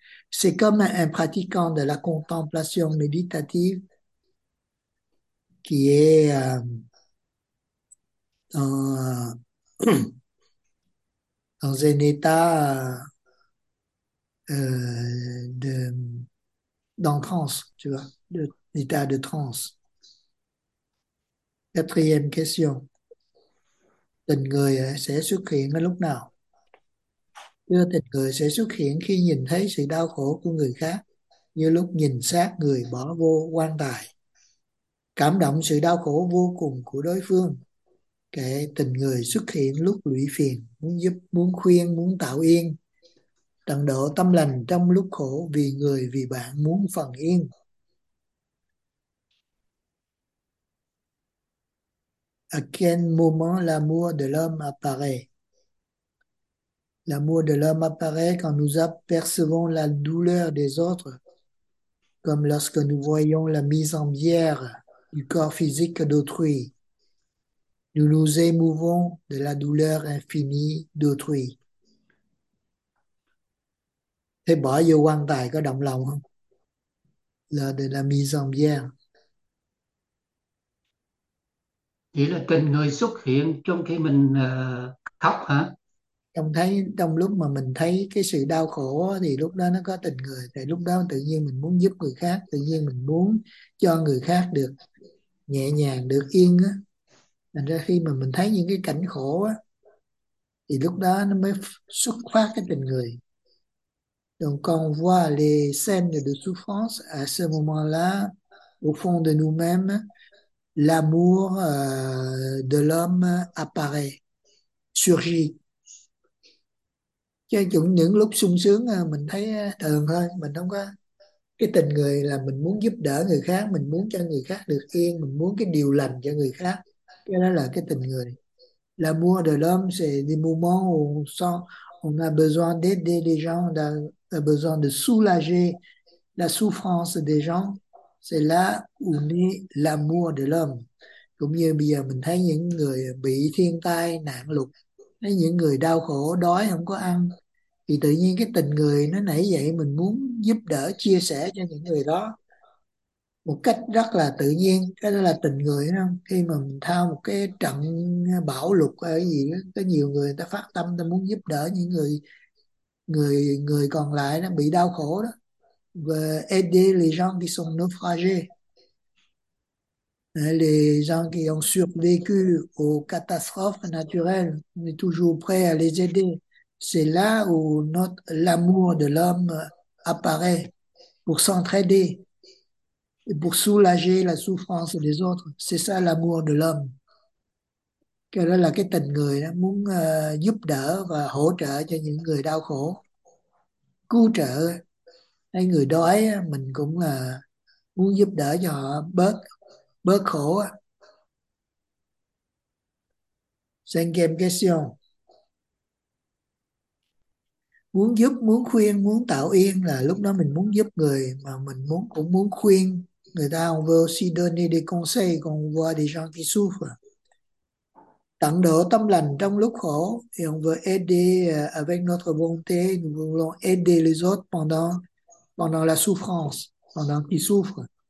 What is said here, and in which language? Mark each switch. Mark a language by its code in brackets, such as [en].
[fr] C'est comme un pratiquant de la contemplation méditative qui est dans un état d'en transe, tu vois, d'état de transe. Quatrième question. [vi] Tình người sẽ xuất hiện ở lúc nào? Thưa, tình người sẽ xuất hiện khi nhìn thấy sự đau khổ của người khác, như lúc nhìn xác người bỏ vô quan tài, cảm động sự đau khổ vô cùng của đối phương. Kể tình người xuất hiện lúc lụy phiền, muốn giúp, muốn khuyên, muốn tạo yên, tận độ tâm lành trong lúc khổ, vì người, vì bạn, muốn phần yên. [fr] À quel moment l'amour de l'homme apparaît? L'amour de l'homme apparaît quand nous apercevons la douleur des autres, comme lorsque nous voyons la mise en bière du corps physique d'autrui. Nous nous émouvons de la douleur infinie d'autrui. [vi] Thế bỏ vô quan tài có động lòng không? [fr] Là de la mise en bière. [vi] Chỉ là tình người xuất hiện trong khi mình khóc hả? Trong lúc mà mình thấy cái sự đau khổ thì lúc đó nó có tình người, tại lúc đó tự nhiên mình muốn giúp người khác, tự nhiên mình muốn cho người khác được nhẹ nhàng, được yên á. Thành ra khi mà mình thấy những cái cảnh khổ á thì lúc đó nó mới xuất phát cái tình người. [fr] Donc quand on voit les scènes de souffrance, à ce moment-là, au fond de nous-mêmes, l'amour de l'homme apparaît, surgit. [vi] Cho những lúc sung sướng mình thấy thường thôi, mình không có cái tình người là mình muốn giúp đỡ người khác, mình muốn cho người khác được yên, mình muốn cái điều lành cho người khác. Cái đó là cái tình người. [fr] L'amour de l'homme, c'est des moments où on a besoin d'aider les gens, a besoin de soulager la souffrance des gens. C'est là où naît l'amour de l'homme. [vi] Cũng như bây giờ mình thấy những người bị thiên tai, nạn lụt, thấy những người đau khổ, đói, không có ăn. Thì tự nhiên cái tình người nó nảy dậy, mình muốn giúp đỡ, chia sẻ cho những người đó một cách rất là tự nhiên. Cái đó là tình người đó. Khi mà mình thao một cái trận bão lụt hay gì đó, có nhiều người ta phát tâm, ta muốn giúp đỡ những người người người còn lại nó bị đau khổ đó. [fr] Và aider les gens qui sont naufragés, les gens qui ont survécu aux catastrophes naturelles, on est toujours prêt à les aider. C'est là où l'amour de l'homme apparaît pour s'entraider et pour soulager la souffrance des autres. C'est ça l'amour de l'homme. [vi] Cái đó là cái tình người đó, muốn giúp đỡ và hỗ trợ cho những người đau khổ, cứu trợ hay người đói mình cũng là muốn giúp đỡ cho họ bớt bớt khổ. [fr] Cinquième question. [vi] Muốn giúp, muốn khuyên, muốn tạo yên là lúc đó mình muốn giúp người, mà mình muốn cũng muốn khuyên người ta. [fr] On veut aussi donner des conseils quand on voit des gens qui souffrent. [vi] Tận độ tâm lành trong lúc khổ, [fr] thì on veut aider avec notre bonté, nous voulons aider les autres pendant la souffrance, pendant qu'ils souffrent.